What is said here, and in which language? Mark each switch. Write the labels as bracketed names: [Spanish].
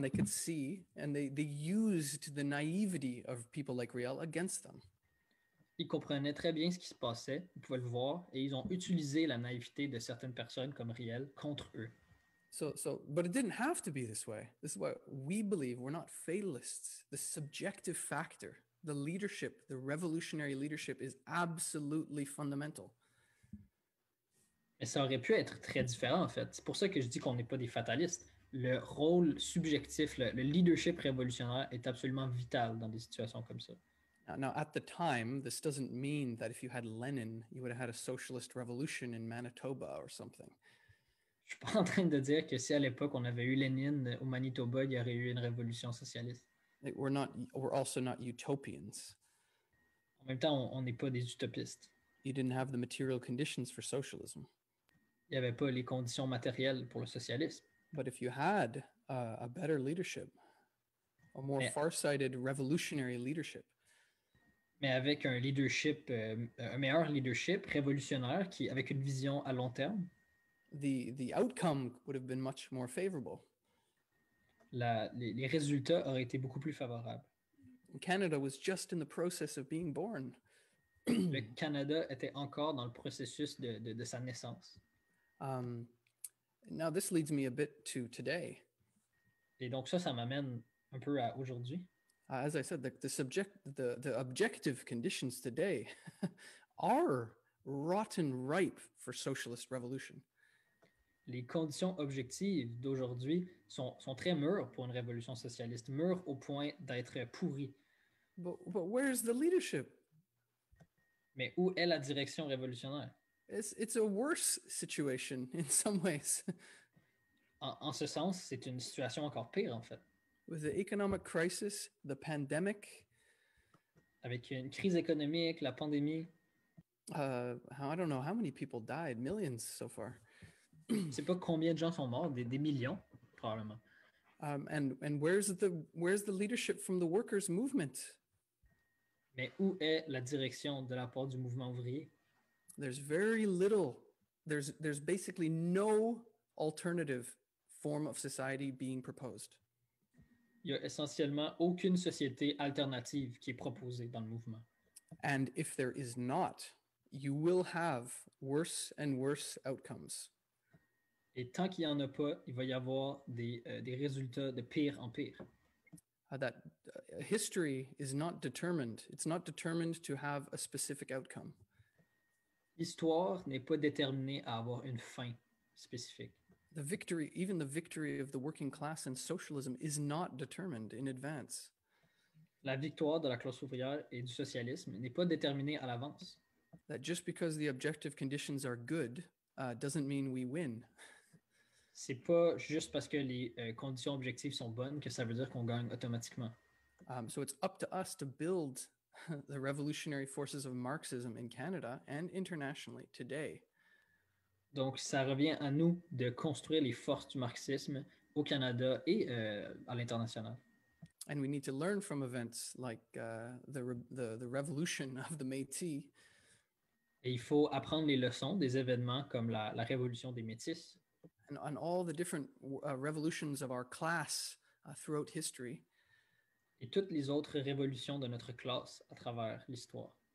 [English] They could see, and they used the naivety of people like Riel against them. [French] Ils comprenaient très bien ce qui se passait, ils pouvaient le voir, et ils ont utilisé la naïveté de certaines personnes comme Riel contre eux. [English] So, but it didn't have to be this way. This is what we believe. We're not fatalists. The subjective factor, the leadership, the revolutionary leadership is absolutely fundamental. [French] Mais ça aurait pu être très différent, en fait. C'est pour ça que je dis qu'on n'est pas des fatalistes. Le rôle subjectif, le leadership révolutionnaire est absolument vital dans des situations comme ça. [English] Now, at the time, this doesn't mean that if you had Lenin, you would have had a socialist revolution in Manitoba or something. [French] Je suis pas en train de dire que si à l'époque on avait eu Lenin au Manitoba, il y aurait eu une révolution socialiste. [English] We're also not utopians. [French] En même temps, on n'est pas des utopistes. [English] You didn't have the material conditions for socialism. [French] Il y avait pas les conditions matérielles pour le socialisme. [English] But if you had a better leadership, a more far-sighted revolutionary leadership. [French] Mais avec un leadership, un meilleur leadership révolutionnaire qui, avec une vision à long terme, [English] the outcome would have been much more favorable. [French] Les résultats auraient été beaucoup plus favorables. [English] Canada was just in the process of being born. [French] Le Canada était encore dans le processus de sa naissance. [English] Now this leads me a bit to today. [French] Et donc ça m'amène un peu à aujourd'hui. [English] As I said, the objective conditions today are rotten ripe for socialist revolution. [French] Les conditions objectives d'aujourd'hui sont très mûres pour une révolution socialiste, mûres au point d'être pourries. [English] But where is the leadership? [French] Mais où est la direction révolutionnaire? [English] It's a worse situation in some ways. [French] En ce sens, c'est une situation encore pire en fait. [English] With the economic crisis, the pandemic. [French] Avec une crise économique, la pandémie. [English] I don't know how many people died. Millions so far. [French] C'est pas combien de gens sont morts, des millions, probablement. [English] And where's the leadership from the workers' movement? [French] Mais où est la direction de la part du mouvement ouvrier? [English] There's very little. There's basically no alternative form of society being proposed. [French] Il y a essentiellement aucune société alternative qui est proposée dans le mouvement. [English] And if there is not, you will have worse and worse outcomes. [French] Et tant qu'il y en a pas, il va y avoir des résultats de pire en pire. [English] That history is not determined. It's not determined to have a specific outcome. [French] L'histoire n'est pas déterminée à avoir une fin spécifique. [English] The victory, even the victory of the working class and socialism, is not determined in advance. [French] La victoire de la classe ouvrière et du socialisme n'est pas déterminée à l'avance. [English] That just because the objective conditions are good doesn't mean we win. [French] C'est pas juste parce que les conditions objectives sont bonnes que ça veut dire qu'on gagne automatiquement. [English] So it's up to us to build the revolutionary forces of Marxism in Canada and internationally today. [French] Donc ça revient à nous de construire les forces du marxisme au Canada et à l'international. [English] And we need to learn from events like the revolution of the Métis. [French] Et il faut apprendre les leçons des événements comme la révolution des Métis. [English] And on all the different revolutions of our class throughout history. [French] Et toutes les autres révolutions de notre classe à travers l'histoire.